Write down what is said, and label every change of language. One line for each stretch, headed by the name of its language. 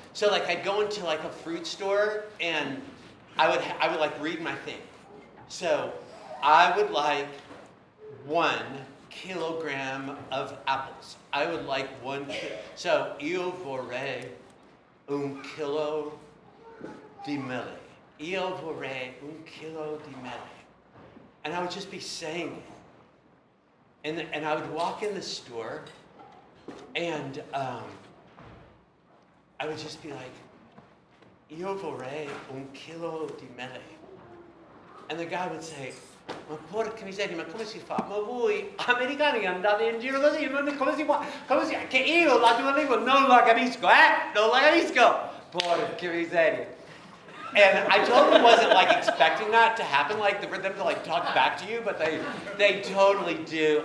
English: Like, I'd go into like a fruit store, and I would like read my thing. So, I would like 1 kilogram of apples. I would like one.
Italian: So, io vorrei 1 kilo di mele. Io vorrei 1 kilo di mele.
English: And I would just be saying it. And I would walk in the store, and I would just be like,
Italian: io vorrei 1 kilo di mele.
English: And the guy would say,
Italian: ma porca miseria, ma come si fa? Ma voi americani andate in giro così? Ma come si fa? Come si fa? Che io la tua lingua non la capisco, eh? Non la capisco. Porca miseria.
English: And I totally wasn't like expecting that to happen, like for them to like talk back to you, but they totally do.